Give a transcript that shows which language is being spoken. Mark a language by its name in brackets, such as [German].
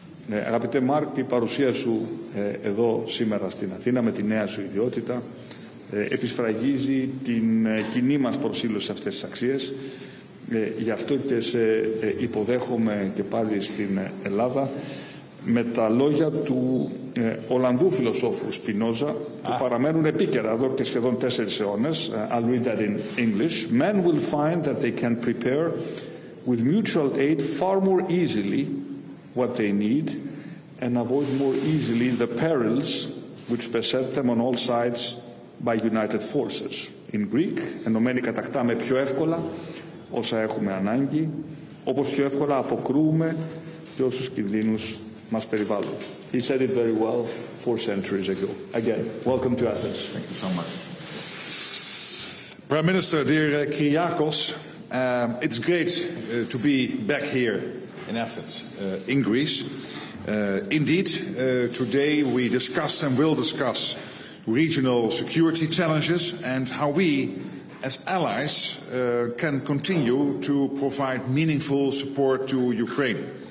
[Greek] Ναι, αγαπητέ Μάρκ, η παρουσία σου εδώ σήμερα στην Αθήνα με τη νέα σου ιδιότητα επισφραγίζει την κοινή μας προσήλωση σε αυτές τις αξίες. Γι' αυτό και σε υποδέχομαι και πάλι στην Ελλάδα με τα λόγια του Ολλανδού φιλοσόφου Σπινόζα που παραμένουν επίκαιρα εδώ και σχεδόν 4 αιώνες. [English] I'll read that in English. Men will find that they can prepare with mutual aid far more easily what they need and avoid more easily the perils which beset them on all sides by united forces. In Greek, [Greek] ενωμένοι κατακτάμε πιο εύκολα όσα έχουμε ανάγκη, όπως πιο εύκολα αποκρούμε και όσους κινδύνους μας περιβάλλουν. [English] He said it very well 4 centuries ago. Again, welcome to Athens. Thank you so much. Prime Minister, dear Kyriakos, it's great to be back here in Athens, in Greece. Indeed, today we discussed and will discuss regional security challenges and how we, as allies, can continue to provide meaningful support to Ukraine.